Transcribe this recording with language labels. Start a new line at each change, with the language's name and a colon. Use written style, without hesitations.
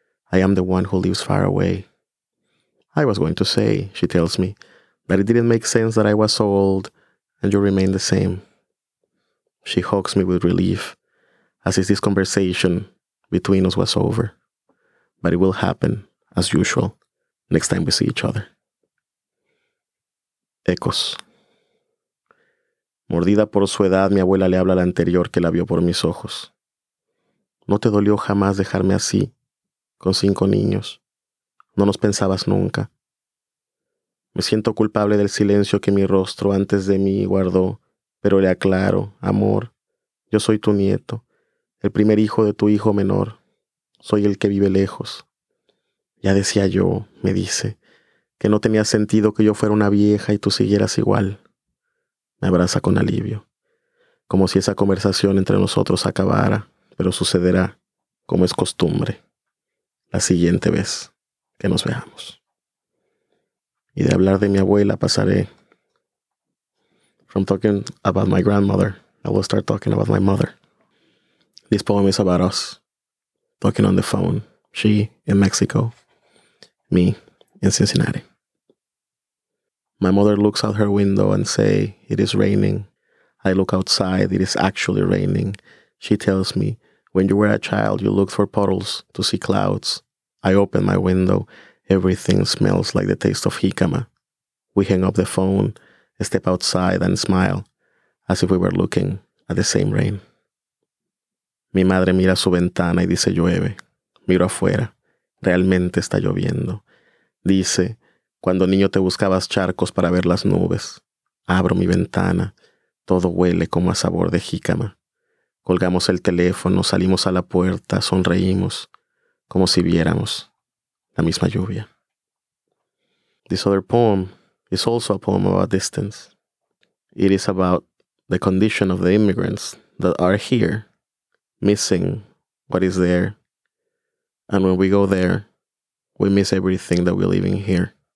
English: I am the one who lives far away. I was going to say, she tells me, that it didn't make sense that I was so old and you remain the same. She hugs me with relief, as if this conversation between us was over, but it will happen, as usual, next time we see each other.
Spanish: Ecos. Mordida por su edad, mi abuela le habla al anterior que la vio por mis ojos. ¿No te dolió jamás dejarme así, con 5 niños? ¿No nos pensabas nunca? Me siento culpable del silencio que mi rostro antes de mí guardó, pero le aclaro, amor, yo soy tu nieto, el primer hijo de tu hijo menor, soy el que vive lejos. Ya decía yo, me dice, que no tenía sentido que yo fuera una vieja y tú siguieras igual. Me abraza con alivio, como si esa conversación entre nosotros acabara, pero sucederá, como es costumbre, la siguiente vez que nos veamos. Y de hablar de mi abuela pasaré.
English: From talking about my grandmother, I will start talking about my mother. This poem is about us, talking on the phone. She in Mexico, me in Cincinnati. My mother looks out her window and say, it is raining. I look outside, it is actually raining. She tells me, when you were a child, you looked for puddles to see clouds. I open my window. Everything smells like the taste of jicama. We hang up the phone, step outside and smile, as if we were looking at the same rain.
Spanish: Mi madre mira su ventana y dice llueve. Miro afuera. Realmente está lloviendo. Dice, cuando niño te buscabas charcos para ver las nubes. Abro mi ventana. Todo huele como a sabor de jícama. Colgamos el teléfono, salimos a la puerta, sonreímos, como si viéramos la misma lluvia.
English: This other poem is also a poem about distance. It is about the condition of the immigrants that are here, missing what is there. And when we go there, we miss everything that we're leaving here.